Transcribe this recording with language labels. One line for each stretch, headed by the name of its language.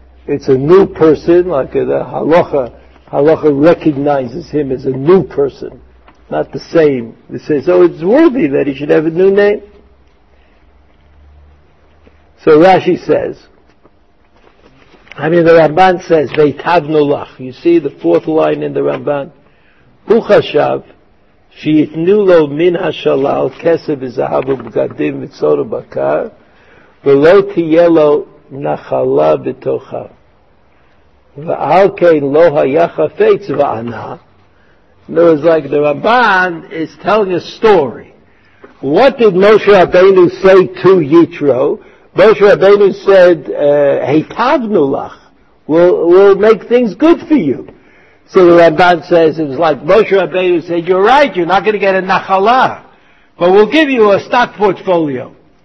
English: It's a new person, like the halacha recognizes him as a new person, not the same. They say, so it's worthy that he should have a new name. So Rashi says, the Ramban says,
Hebrew: Veitavnu lach.
English: You see the fourth line in the Ramban?
Hebrew: Hu chashav שיתנו לו מן השלל כסף וזהב ובגדים וצור ובקר ולא תהיה לו נחלה בתוכה ועל כן לא היה חפץ וענה.
English: And it was like the Rabban is telling a story. What did Moshe Rabbeinu say to Yitro? Moshe Rabbeinu said,
Hebrew: "Heitavnu lach,
English: we'll make things good for you." So the Ramban says, it was like Moshe Rabbeinu said, you're right, you're not going to get a nachala, but we'll give you a stock portfolio.